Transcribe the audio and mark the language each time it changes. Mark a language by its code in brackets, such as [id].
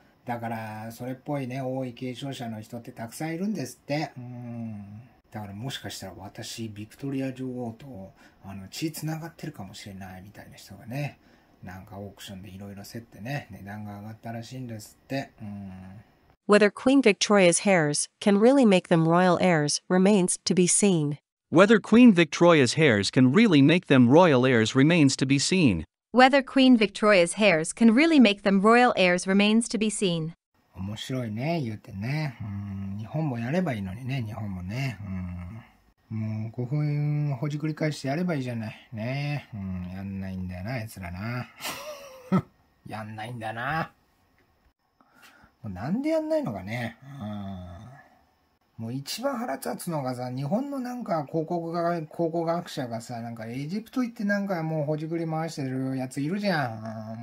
[ja] だから、それっぽいね、王位継承者の人ってたくさんいるんですって。だからもしかしたら私、ビクトリア女王と、血繋がってるかもしれないみたいな人がね、なんかオークションでいろいろ競ってね、値段が上がったらしいんですって。 [en] Whether Queen Victoria's hairs can really make them royal heirs remains to be seen. Whether Queen Victoria's hairs can really make them royal heirs remains to be seen. Whether Queen Victoria's hairs can really make them royal heirs remains to be seen. [ja] 面白いね、言うてね。日本もやればいいのにね、日本もね。もう5分ほじくり返してやればいいじゃない。ね、やんないんだよな、あいつらな。やんないんだな。もうなんでやんないのかね。もう一番腹立つのがさ、日本のなんか考古学者がさ、なんかエジプト行ってなんかもうほじくり回してるやついるじゃん。